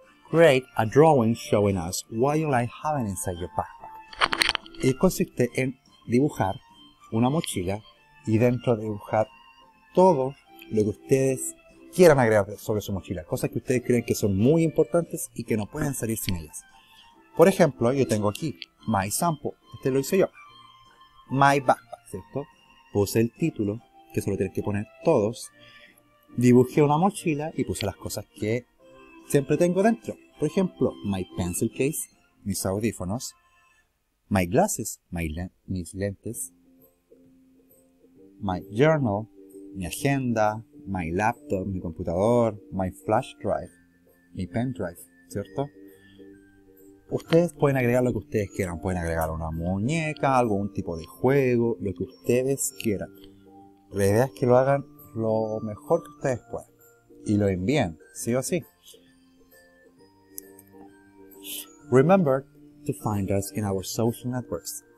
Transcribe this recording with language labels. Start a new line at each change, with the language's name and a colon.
English: Create a drawing showing us what you like having inside your backpack.
Spanish: Y consiste en dibujar una mochila y dentro de dibujar todo lo que ustedes quieran agregar sobre su mochila. Cosas que ustedes creen que son muy importantes y que no pueden salir sin ellas. Por ejemplo, yo tengo aquí My Sample. Este lo hice yo. My Backpack, ¿cierto? Puse el título, que solo tienen que poner todos. Dibujé una mochila y puse las cosas que siempre tengo dentro. Por ejemplo,
English: my pencil case,
Spanish: mis audífonos,
English: my glasses,
Spanish: mis lentes,
English: my journal,
Spanish: mi agenda,
English: my laptop,
Spanish: mi computador,
English: my flash drive,
Spanish: mi pen drive, ¿cierto? Ustedes pueden agregar lo que ustedes quieran, pueden agregar una muñeca, algún tipo de juego, lo que ustedes quieran. La idea es que lo hagan lo mejor que ustedes puedan y lo envíen, sí o sí.
English: Remember to find us in our social networks.